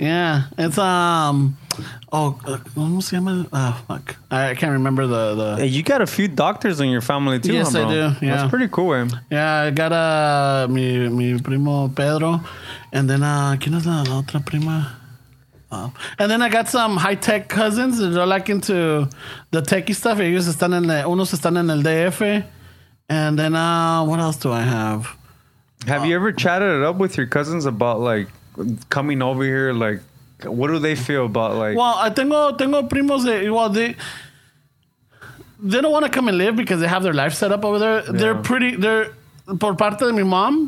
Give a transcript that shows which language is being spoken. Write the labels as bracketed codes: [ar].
[en] Yeah. It's I can't remember the hey, you got a few doctors in your family too. Yes, bro. I do. Yeah. That's pretty cool, man. Yeah, I got mi primo Pedro, and then [es] ¿quién es la otra prima? [en] And then I got some high tech cousins that are like into the techie stuff. [es] Ellos están en unos están en el DF. [en] And then what else do I have? Have you ever chatted it up with your cousins about like coming over here? Like, what do they feel about like? Well, I [es] tengo primos. [en] They don't want to come and live because they have their life set up over there. Yeah. They're pretty. They're [es] por parte de mi [en] mom.